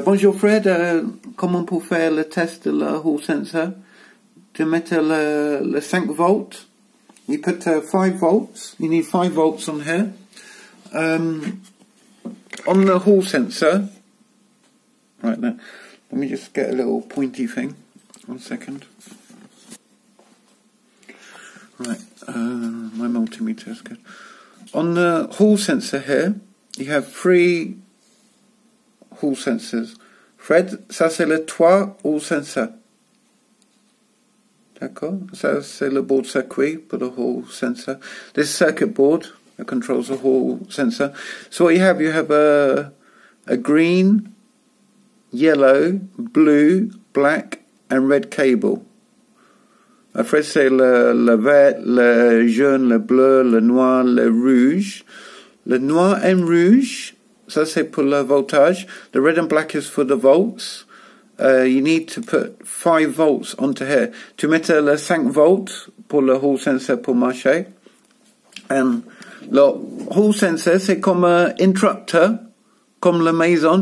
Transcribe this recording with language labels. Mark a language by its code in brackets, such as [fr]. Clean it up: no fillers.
[fr] Bonjour Fred, comment pour faire le test de la hall sensor? De mettre le 5 volts? [en] You put 5 volts, you need 5 volts on here. On the hall sensor, right there, let me just get a little pointy thing, 1 second. Right, my multimeter is good. On the hall sensor here, you have 3 hall sensors. [fr] Fred, ça c'est le 3 hall sensor. D'accord, ça c'est le board circuit pour le hall sensor. [en] This circuit board that controls the hall sensor. So what you have a green, yellow, blue, black and red cable. [fr] Après c'est le vert, le jaune, le bleu, le noir, le rouge. Le noir et rouge, ça c'est pour le voltage. [en] The red and black is for the volts. You need to put 5 volts onto here. [fr] Tu mettre le 5 volts pour le hall sensor pour marcher. Le hall sensor, c'est comme un interrupteur, comme la maison.